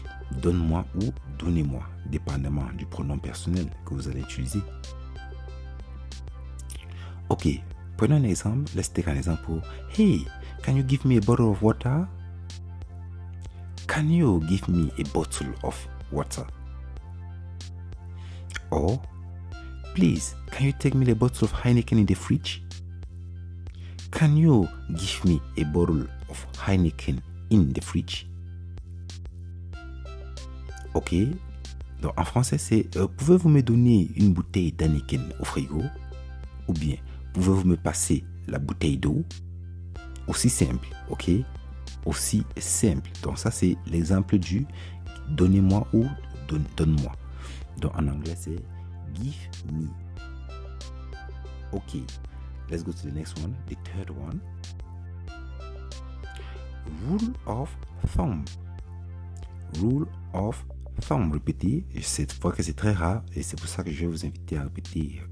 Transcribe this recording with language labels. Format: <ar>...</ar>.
<fr>Donne-moi ou donnez-moi, dépendamment du pronom personnel que vous allez utiliser. Ok, prenons un exemple.</fr> <en>Let's take an example. Hey, can you give me a bottle of water? Can you give me a bottle of water? Or, please, can you take me a bottle of Heineken in the fridge? Can you give me a bottle of Heineken in the fridge?</en> <fr>Ok, donc en français c'est pouvez-vous me donner une bouteille d'Anakin au frigo? Ou bien pouvez-vous me passer la bouteille d'eau? Aussi simple, ok? Aussi simple. Donc ça c'est l'exemple du donnez-moi ou donne-moi. Donc en anglais c'est</fr> <en>give me. Ok, let's go to the next one, the third one. Rule of thumb. Rule of thumb,</en> <fr>répétez, cette fois que c'est très rare et c'est pour ça que je vais vous inviter à répéter.</fr>